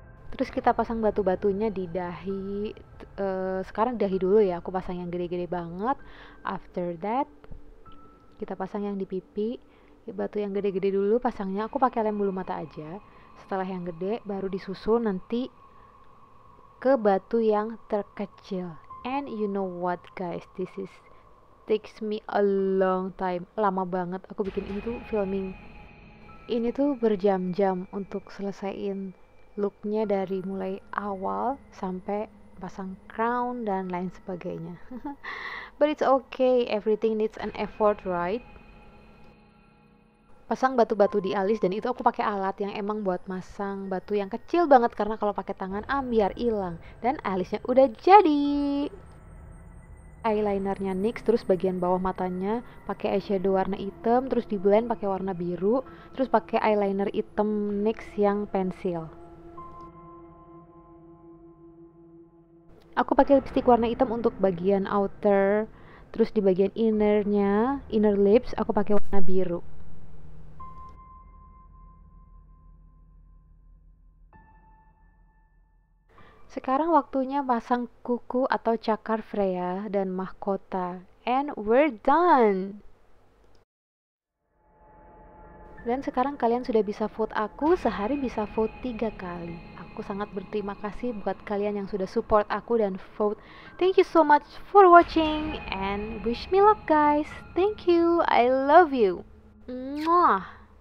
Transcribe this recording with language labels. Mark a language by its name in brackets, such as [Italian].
[Indonesian] Terus kita pasang batu-batunya di dahi. Sekarang dahi dulu ya, aku pasang yang gede-gede banget. [English] After that, [Indonesian] kita pasang yang di pipi. Batu yang gede-gede dulu pasangnya, aku pakai lem bulu mata aja. Setelah yang gede, baru disusul nanti ke batu yang terkecil. [English] And you know what guys, this is takes me a long time. [Indonesian] Lama banget aku bikin ini tuh filming. Ini tuh berjam-jam untuk selesaiin looknya dari mulai awal sampai pasang crown dan lain sebagainya. [English] But it's okay, everything needs an effort, right? [Indonesian] Pasang batu-batu di alis, dan itu aku pakai alat yang emang buat masang batu yang kecil banget karena kalau pakai tangan ambiar hilang. Dan alisnya udah jadi. Eyelinernya NYX, terus bagian bawah matanya pakai eyeshadow warna hitam, terus di blend pakai warna biru, terus pakai eyeliner hitam NYX yang pensil. Aku pakai lipstik warna hitam untuk bagian outer, terus di bagian innernya, inner lips, aku pakai warna biru. Sekarang waktunya pasang kuku atau cakar Freya dan mahkota. [English] And we're done! [Indonesian] Dan sekarang kalian sudah bisa vote aku, sehari bisa vote 3 kali. Aku sangat berterima kasih buat kalian yang sudah support aku dan vote. [English] Thank you so much for watching and wish me luck guys. Thank you, I love you. Mwah.